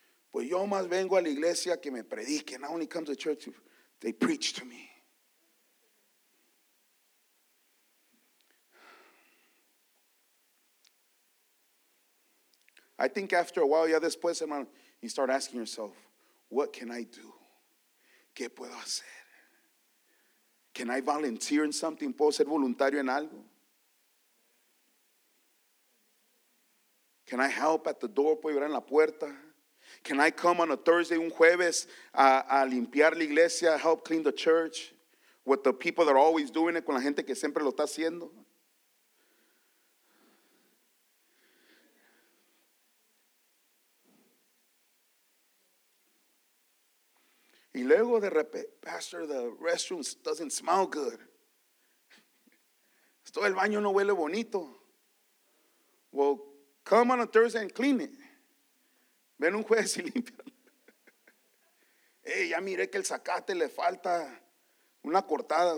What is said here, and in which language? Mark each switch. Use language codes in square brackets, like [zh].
[es] Pues yo más vengo a la iglesia que me prediquen. [en] I only come to church if they preach to me. I think after a while, [es] ya después, hermano, [en] you start asking yourself, what can I do? [es] ¿Qué puedo hacer? [en] Can I volunteer in something? [es] ¿Puedo ser voluntario en algo? [en] Can I help at the door? [es] ¿Puedo ayudar en la puerta? [en] Can I come on a Thursday, [es] un jueves, a limpiar la iglesia, [en] help clean the church with the people that are always doing it, [es] con la gente que siempre lo está haciendo? Y luego de repente, [en] Pastor, the restroom doesn't smell good. [es] Esto el baño no huele bonito. [en] Well, come on a Thursday and clean it. [es] Ven un jueves y limpia. Hey, ya miré que el zacate le falta una cortada.